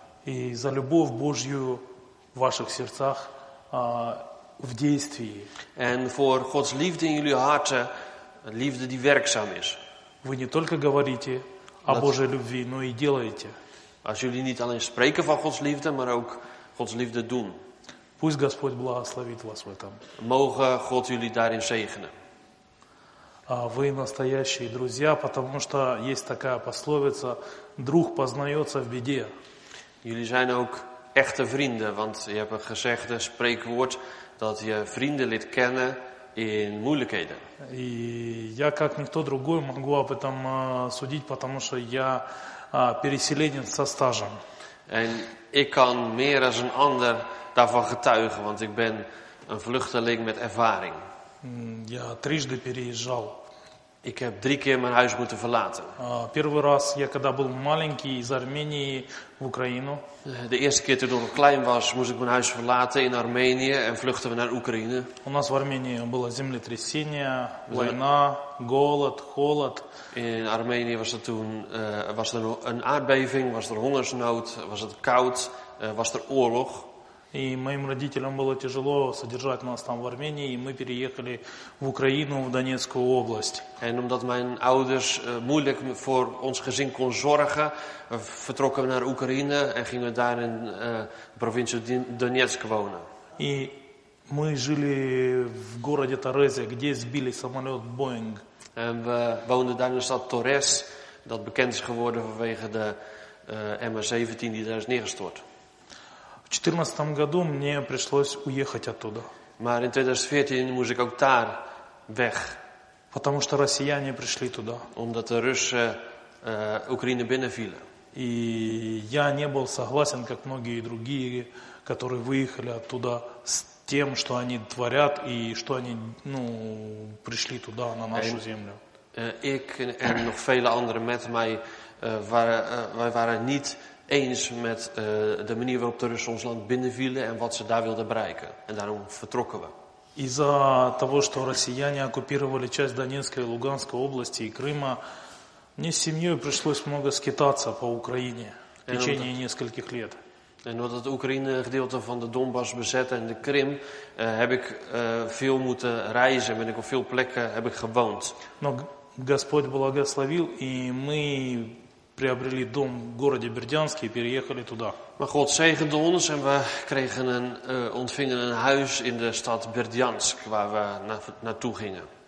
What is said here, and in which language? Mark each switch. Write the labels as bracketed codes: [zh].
[ru] И за любовь Божью в ваших сердцах в действии. [nl] En voor Gods liefde in jullie harten, liefde die werkzaam is. [ru] Вы не только говорите о Божьей любви, но и делаете. [nl] Als jullie niet alleen spreken van Gods liefde, maar ook Gods liefde doen. [ru] Пусть Господь благословит вас в этом. [nl] Mogen God jullie daarin zegenen. [ru] Вы настоящие друзья, потому что есть такая пословица: друг познается в беде. [nl] Jullie zijn ook echte vrienden, want je hebt een gezegd, een spreekwoord, dat je vrienden leert kennen in moeilijkheden. [ru] И я как никто другой могу об этом судить, потому что я переселенец со стажем. [nl] En ik kan meer als een ander daarvan getuigen, want ik ben een vluchteling met ervaring. [ru] Я трижды переезжал. [nl] Ik heb drie keer mijn huis moeten verlaten. [ru] Первый раз я когда был маленький из Армении в Украину. [nl] De eerste keer toen ik nog klein was, moest ik mijn huis verlaten in Armenië en vluchten we naar Oekraïne. [ru] У нас в Армении было землетрясение, война, голод, холод. [nl] In Armenië was er toen was er een aardbeving, was er hongersnood, was het koud, was er oorlog. [ru] И моим родителям было тяжело содержать нас там в Армении, и мы переехали в Украину, в Донецкую область. [nl] En omdat mijn ouders moeilijk voor ons gezin kon zorgen, vertrokken we naar Oekraïne en gingen daar in provincie Donetsk wonen. [ru] И мы жили в городе Торезе, где сбили самолет Boeing. [nl] En we woonden daar in de stad Torres, dat bekend is geworden vanwege de MH17 die daar is neergestort. [ru] В 2014 году мне пришлось уехать оттуда. [nl] Maar in 2014 moest ik ook daar weg. [ru] Потому что россияне пришли туда. [nl] Omdat de Russen Oekraïne binnenvielen. [ru] И я не был согласен, как многие другие, которые выехали оттуда, с тем, что они творят и что они, ну, пришли туда, на нашу землю. [nl] Ik en nog vele anderen met mij wij waren niet eens met de manier waarop de Russen ons land binnenvielen en wat ze daar wilden bereiken. En daarom vertrokken we. [ru] Из-за того, что россияне оккупировали часть Донецкой и Луганской области и Крыма, мне с семьей пришлось много скитаться по Украине в течение нескольких лет. [nl] En omdat het Oekraïne gedeelte van de Donbass bezette en de Krim, heb ik veel moeten reizen, ben ik op veel plekken heb ik gewoond. [ru] Но Господь благословил, и мы приобрели дом в городе Бердянске и переехали туда. [nl] Maar God zegende ons en we kregen een ontvingen een huis in de stad Бердянск, waar we naartoe gingen.